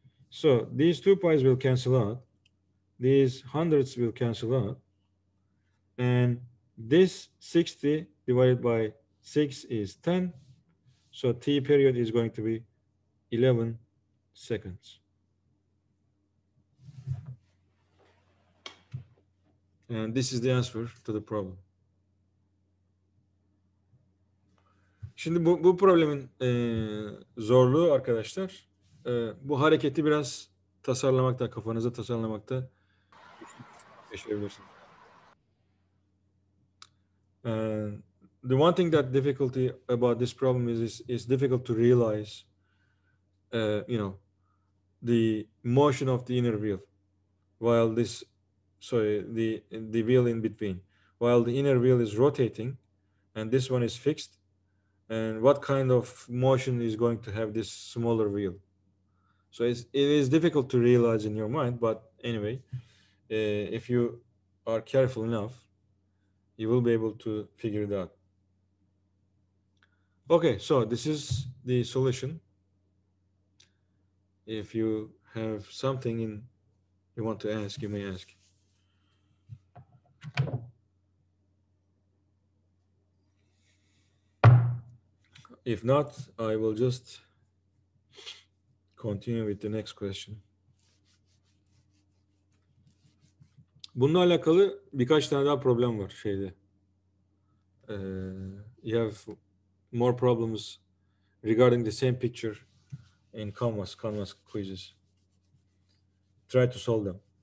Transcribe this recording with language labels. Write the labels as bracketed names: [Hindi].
[English] So these 2 pi's will cancel out, these hundreds will cancel out, and this 60 divided by 6 is 10, so T period is going to be 11 seconds. And this is the answer to the problem. [Turkish] Şimdi bu problemin zorluğu arkadaşlar, bu hareketi biraz tasarlamakta, kafanızda tasarlamakta geçirebilirsiniz. [English] The one thing that difficulty about this problem is difficult to realize, you know, the motion of the inner wheel while this, the wheel in between, while the inner wheel is rotating and this one is fixed, and what kind of motion is going to have this smaller wheel. So it is difficult to realize in your mind, but anyway, if you are careful enough, you will be able to figure it out. Okay, so this is the solution. If you have something in you want to ask, you may ask. If not, I will just continue with the next question. [Turkish] Bununla alakalı birkaç tane daha problem var şeyde. [English] You have more problems regarding the same picture in Canvas quizzes. Try to solve them.